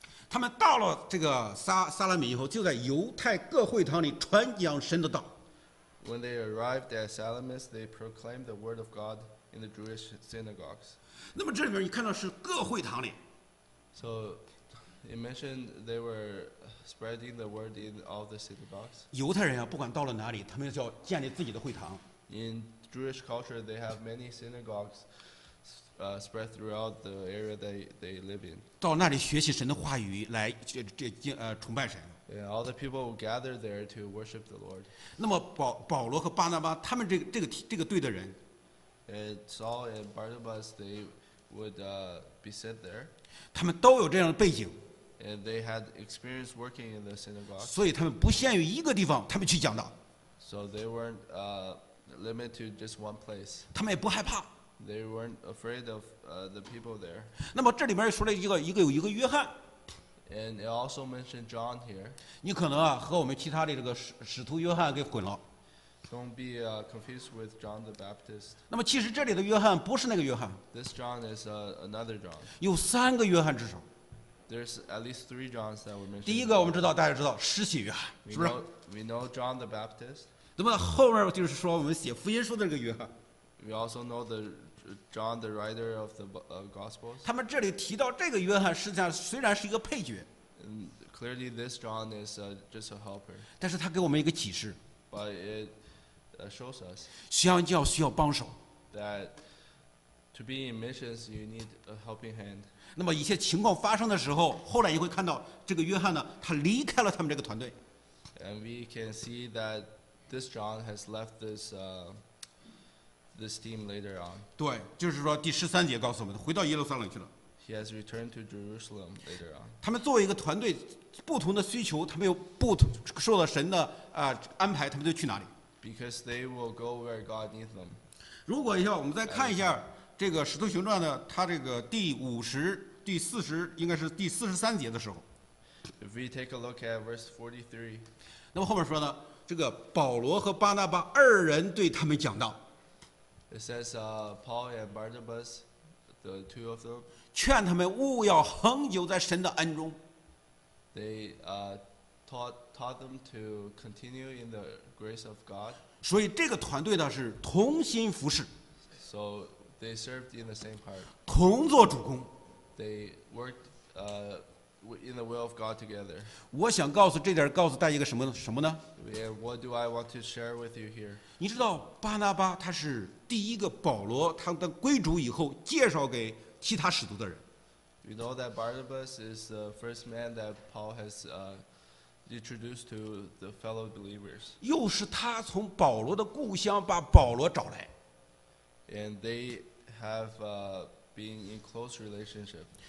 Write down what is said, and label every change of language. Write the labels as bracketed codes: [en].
[zh] 他们到了这个撒拉米以后，就在犹太各会堂里传讲神的道。 [en] When they arrived at Salamis, they proclaimed the word of God in the Jewish synagogues. [zh] 那么这里面你看到是各会堂里。 [en] So, it mentioned they were spreading the word in all the synagogues. [zh] 犹太人啊，不管到了哪里，他们就要建立自己的会堂。 [en] In Jewish culture, they have many synagogues, spread throughout the area they live in. [zh] 到那里学习神的话语，来崇拜神。 [en] Yeah, all the people will gather there to worship the Lord. [zh] 那么保罗和巴拿巴他们这个队的人 [en] ，Saul and Barnabas they would be sent there. [zh] 他们都有这样的背景 [en] ，and they had experience working in the synagogue. [zh] 所以他们不限于一个地方，他们去讲道。 [en] So they weren't limited to just one place. [zh] 他们也不害怕。 [en] They weren't afraid of the people there. [zh] 那么这里面说了一个约翰。 [en] And it also mentioned John here. [zh] 你可能啊和我们其他的这个使徒约翰给混了。 [en] Don't be confused with John the Baptist. [zh] 那么其实这里的约翰不是那个约翰。 [en] This John is another John. [zh] 有三个约翰至少。 [en] There's at least three Johns that were mentioned. [zh] 第一个我们知道，大家知道施洗约翰，是不是 [en] ？We know John the Baptist. [zh] 那么后面就是说我们写福音书的这个约翰。 [en] We also know the John, the writer of the Gospels. [zh] 他们这里提到这个约翰，实际上虽然是一个配角。 [en] Clearly, this John is just a helper. [zh] 但是他给我们一个启示。 [en] But it shows us. [zh] 宣教需要帮手。 [en] That to be in missions, you need a helping hand. [zh] 那么一些情况发生的时候，后来你会看到这个约翰呢，他离开了他们这个团队。 [en] And we can see that this John has left this. This team later on. [zh] 对，就是说第十三节告诉我们，回到耶路撒冷去了。 [en] He has returned to Jerusalem later on. [zh] 他们作为一个团队，不同的需求，他们又不同受到神的安排，他们就去哪里 [en] ？Because they will go where God needs them. [zh] 如果一下我们再看一下这个《使徒行传》的，它这个第四十三节的时候。 [en] If we take a look at verse 43. [zh] 那么后面说呢，这个保罗和巴拿巴二人对他们讲道。 [en] It says, Paul and Barnabas, the two of them, [zh] 劝他们务要恒久在神的恩中。 [en] They, taught them to continue in the grace of God. [zh] 所以这个团队呢是同心服侍。 [en] So they served in the same part. [zh] 同做主工。 [en] They worked, in the will of God together. [zh] 我想告诉这点告诉大家一个什么什么呢 [en] ？And what do I want to share with you here? [zh] 你知道巴拿巴他是第一个保罗他的归主以后介绍给其他使徒的人。 [en] You know that Barnabas is the first man that Paul has introduced to the fellow believers. [zh] 又是他从保罗的故乡把保罗找来。 [en] And they have being in close relationship.